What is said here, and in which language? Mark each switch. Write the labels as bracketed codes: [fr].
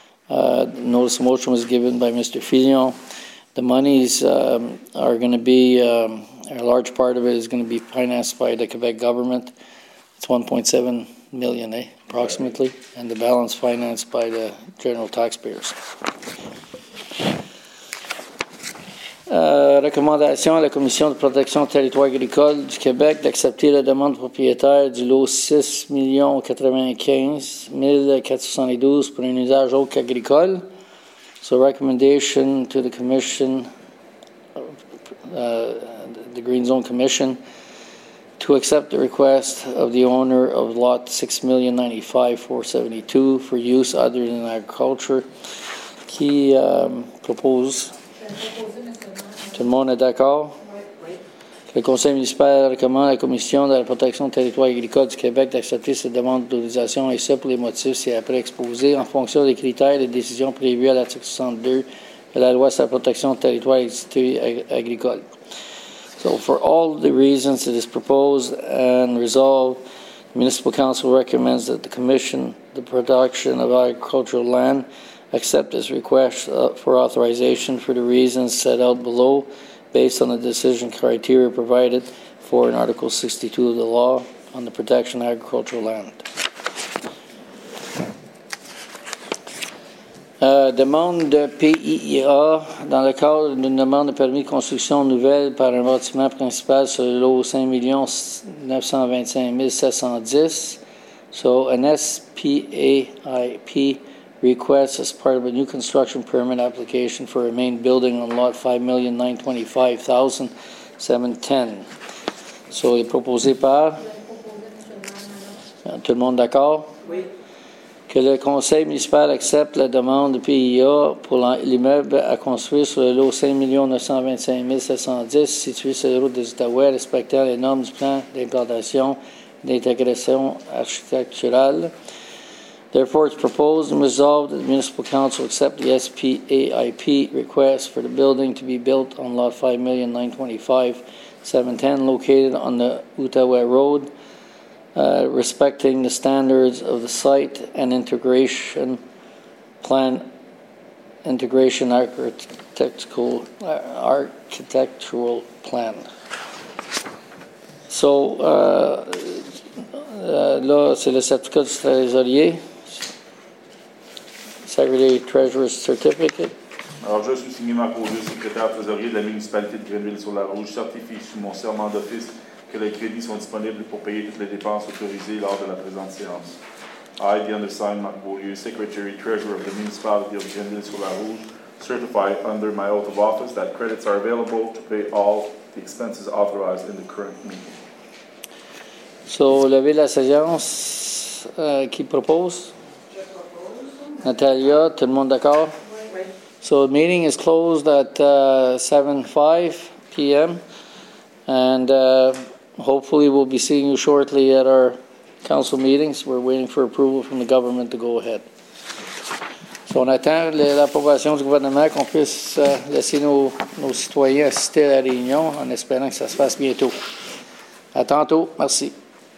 [en] Notice of motion was given by Mr. Fillon. The monies are going to be a large part of it is going to be financed by the Quebec government. It's $1.7 million, approximately, and the balance financed by the general taxpayers. [fr] Recommandation à la Commission de protection du territoire agricole du Québec d'accepter la demande propriétaire du lot 6,095,472 $ pour un usage autre qu'agricole. [en] So, recommendation to the Commission, the Green Zone Commission, to accept the request of the owner of lot 6,095,472 $ for use other than agriculture. [fr] Qui propose? Tout le monde est d'accord? Oui. Le conseil municipal recommande à la Commission de la protection du territoire agricole du Québec d'accepter cette demande d'autorisation et ce pour les motifs ci-après exposés en fonction des critères et des décisions prévues à l'article 62 de la loi sur la protection du territoire agricole. [en] So, for all the reasons it is proposed and resolved, the Municipal Council recommends that the Commission, the Production of Agricultural Land, accept this request for authorization for the reasons set out below, based on the decision criteria provided for in Article 62 of the Law on the Protection of Agricultural Land. [fr] Demande de PIA dans le cadre d'une demande de permis de construction nouvelle par un bâtiment principal sur le lot 5,925,710 $. [en] So, an SPAIP request as part of a new construction permit application for a main building on lot 5,925,710 $. So, [fr] il est proposé par? Tout le monde d'accord? Oui. Que le conseil municipal accepte la demande de PIA pour l'immeuble à construire sur le lot 5,925,710 $ situé sur la route des Outaouais, respectant les normes du plan d'implantation et d'intégration architecturale. [en] Therefore, it's proposed and resolved that the Municipal Council accept the SPAIP request for the building to be built on lot 5,925,710 $, located on the Outaouais Road, respecting the standards of the site and integration plan, integration architectural plan. [fr] So, là, c'est le certificat du trésorier. [en] Secretary Treasurer's Certificate. [fr] Alors, je suis signé par le secrétaire trésorier de la municipalité de Grenville-sur-la-Rouge. Je certifie sous mon serment d'office que les crédits sont disponibles pour payer toutes les dépenses autorisées lors de la présente séance. [en] I, the undersigned Marc Beaulieu, Secretary Treasurer of the Municipality of Grenville-sur-la-Rouge, certify under my oath of office that credits are available to pay all the expenses authorized in the current meeting. [fr] So, levez la séance. Qui propose? Natalia, tout le monde d'accord? [en] So the meeting is closed at 7:05 p.m. and hopefully we'll be seeing you shortly at our council meetings. We're waiting for approval from the government to go ahead. [fr] So on attend l'approbation du gouvernement qu'on puisse laisser nos citoyens assister à la réunion en espérant que ça se fasse bientôt. À tantôt. Merci.